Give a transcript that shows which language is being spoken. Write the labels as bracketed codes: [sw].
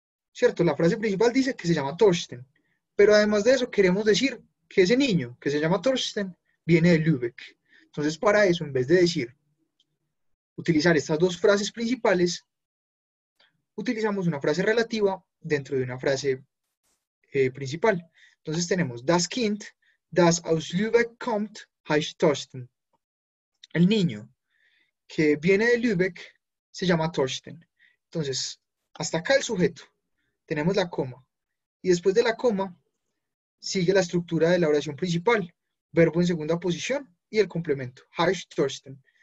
[es] Cierto, la frase principal dice que se llama Thorsten, pero además de eso queremos decir que ese niño que se llama Thorsten viene de Lübeck. Entonces, para eso, en vez de decir, utilizar estas dos frases principales, utilizamos una frase relativa dentro de una frase principal. Entonces tenemos, [de] das Kind, das aus Lübeck kommt, heißt Thorsten. [es] El niño que viene de Lübeck se llama Thorsten. Entonces, hasta acá el sujeto. Tenemos la coma. Y después de la coma, sigue la estructura de la oración principal. Verbo en segunda posición y el complemento. [de] Heißt Thorsten.